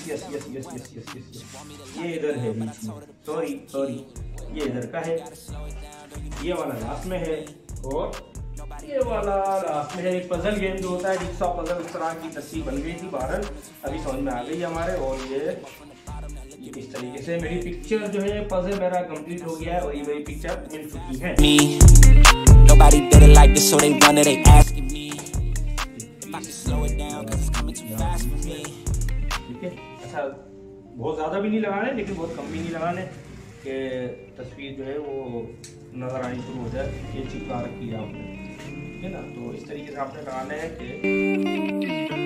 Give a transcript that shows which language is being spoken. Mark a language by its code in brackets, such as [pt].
[hi] Yeh idhar hai beech mein. Sorry. Yeh idhar ka hai. Yeh wala last mein hai. Aur yeh wala last mein hai. Ek puzzle game jo hota hai. Jigsaw puzzle is tarah ki tasveer ban gayi thi bahar. Abhi samajh mein aa gayi hamare. Aur yeh इस तरीके से मेरी picture जो है puzzle मेरा complete हो गया है, वही वही पिक्चर मिल चुकी है। [en] Me. Nobody did it like this, so they run it, they asking me. If I could slow it down, cause it's coming too fast for me. [hi] अच्छा, बहुत ज़्यादा भी नहीं लगाने, लेकिन बहुत कम भी नहीं लगाने कि तस्वीर जो है वो नजर आनी शुरू हो जाए, ये चिपका रखी है आपने, ठीक है ना। तो इस तरीके से आपने लगाना है कि